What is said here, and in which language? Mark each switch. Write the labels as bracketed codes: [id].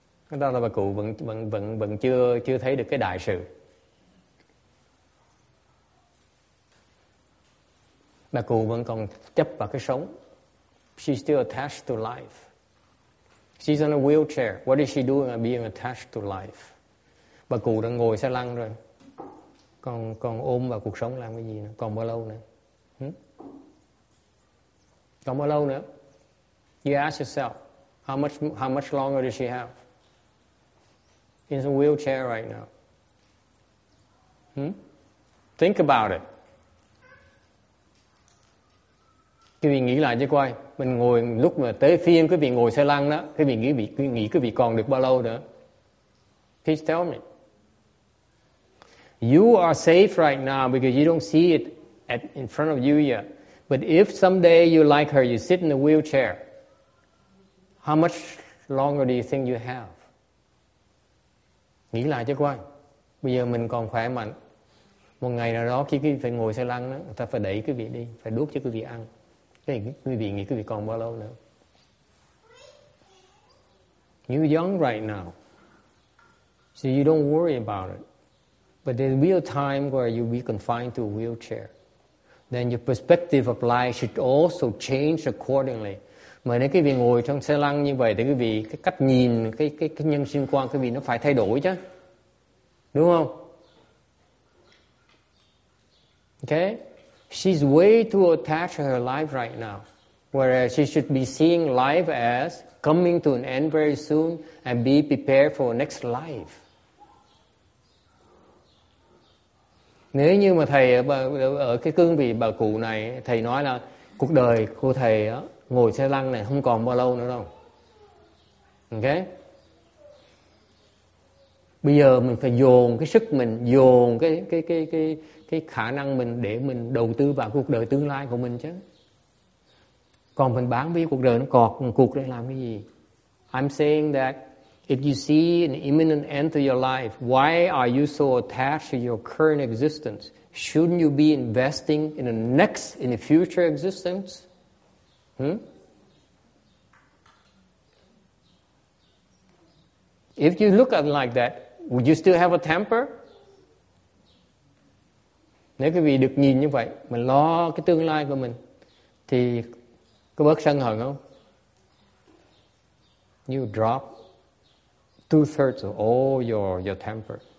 [vi] Đó là bà cụ vẫn chưa thấy được cái đại sự. Bà cụ vẫn còn chấp vào cái sống. [en] She's still attached to life. She's on a wheelchair. What is she doing being attached to life? [vi] Bà cụ đang ngồi xe lăn rồi. Còn ôm vào cuộc sống làm cái gì nữa? Còn bao lâu nữa? Còn bao lâu nữa? [en] You ask yourself, how much longer does she have? In a wheelchair right now. Think about it. [vi] Quý vị nghĩ lại chứ coi, mình ngồi lúc mà tới phiên quý vị ngồi xe lăn đó, quý vị nghĩ quý vị còn được bao lâu nữa? [en] Please tell me. You are safe right now because you don't see it in front of you yet. But if someday you like her, you sit in the wheelchair, how much longer do you think you have? [vi] Nghĩ lại chứ coi, bây giờ mình còn khỏe mạnh. Một ngày nào đó khi quý vị phải ngồi xe lăn đó, người ta phải đẩy quý vị đi, phải đuốc cho quý vị ăn. Thế quý vị nghĩ quý vị còn bao lâu nữa? [en] You're young right now, so you don't worry about it. But there will be a time where you'll be confined to a wheelchair. Then your perspective of life should also change accordingly. [vi] Mà nếu quý vị ngồi trong xe lăn như vậy thì quý vị cái cách nhìn, cái nhân sinh quan quý vị nó phải thay đổi chứ. Đúng không? [en] Okay? She's way too attached to her life right now. Whereas she should be seeing life as coming to an end very soon and be prepared for next life. [vi] Nếu như mà thầy ở cái cương vị bà cụ này, thầy nói là cuộc đời cô thầy ngồi xe lăn này không còn bao lâu nữa đâu. Okay? Bây giờ mình phải dồn cái sức mình, dồn cái khả năng mình để mình đầu tư vào cuộc đời tương lai của mình chứ. Còn mình bán với cuộc đời nó cọt một cuộc để làm cái gì? [en] I'm saying that if you see an imminent end to your life, why are you so attached to your current existence? Shouldn't you be investing in the next, in the future existence? If you look at it like that, would you still have a temper? [vi] Nếu quý vị được nhìn như vậy, mình lo cái tương lai của mình, thì có bớt sân hận không? [en] You drop 2/3 of all your temper.